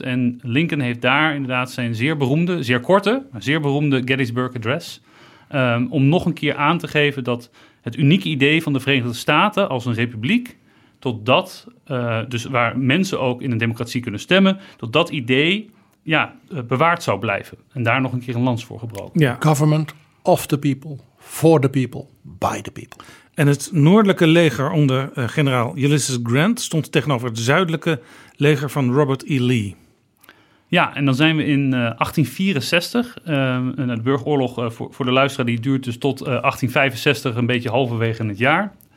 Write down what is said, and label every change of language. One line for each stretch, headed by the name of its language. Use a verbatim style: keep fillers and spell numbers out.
Dutch: En Lincoln heeft daar inderdaad zijn zeer beroemde, zeer korte, maar zeer beroemde Gettysburg Address. Um, om nog een keer aan te geven dat het unieke idee van de Verenigde Staten als een republiek, tot dat, uh, dus waar mensen ook in een democratie kunnen stemmen, tot dat idee ja, uh, bewaard zou blijven. En daar nog een keer een lans voor gebroken. Ja.
English: Government of the people, for the people, by the people.
Dutch: En het noordelijke leger onder uh, generaal Ulysses Grant stond tegenover het zuidelijke leger van Robert E. Lee. Ja, en dan zijn we in uh, achttien vierenzestig. Uh, en de burgeroorlog uh, voor, voor de luisteraar die duurt dus tot uh, achttien vijfenzestig, een beetje halverwege in het jaar.